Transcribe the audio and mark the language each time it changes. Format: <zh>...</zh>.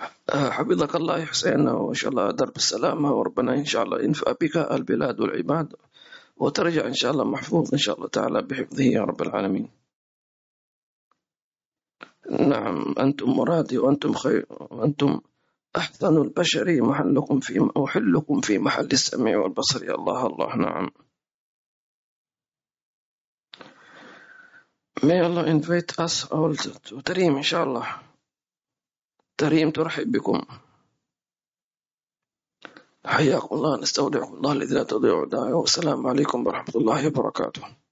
<ar>حفظك الله يا حسين، وإن شاء الله درب السلامة، وربنا إن شاء الله ينفع بك البلاد والعباد، وترجع إن شاء الله محفوظ إن شاء الله تعالى بحفظه يا رب العالمين. نعم أنتم مرادي وأنتم خير وأنتم أحسن البشر، محلكم في أحلكم في محل السميع والبصر. يا الله الله. نعم</ar> <en>may Allah invite us all to Tareem</en> <ar>إن شاء الله. تريم ترحب بكم، حياكم الله، نستودعكم الله الذي لا تضيع ودائعه، والسلام عليكم ورحمة الله وبركاته.</ar>